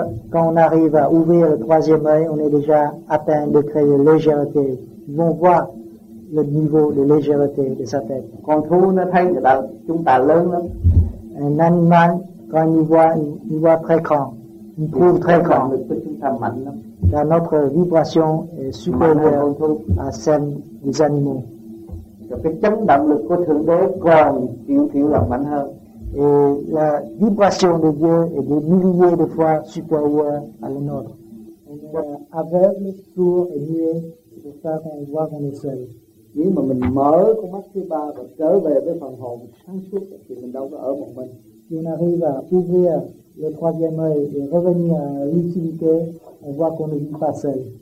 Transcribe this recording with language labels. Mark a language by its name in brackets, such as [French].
[French] Quand on arrive à ouvrir le troisième œil, on est déjà atteint de créer de légèreté. Ils vont voir le niveau de légèreté de sa tête. [Vietnamese] Con thú nó thấy người ta, chúng ta lớn lắm. [French] Un animal, quand il voit très grand, il trouve très grand. Car notre vibration est supérieure à celle des animaux. [Vietnamese] Cái chấn động lực của Thượng Đế còn tiểu tiểu là mạnh hơn. [French] Et la vibration de Dieu est des milliers de fois supérieure à la nôtre. On est aveugle, sourd et muet, c'est pour ça qu'on voit qu'on est seul. [Vietnamese] Nếu mà mình mở con mắt thứ ba và trở về với phần hồn sáng suốt thì mình đâu có ở một mình. [French] Si on arrive à ouvrir le troisième œil et revenir à l'utilité, on voit qu'on ne vit pas seul.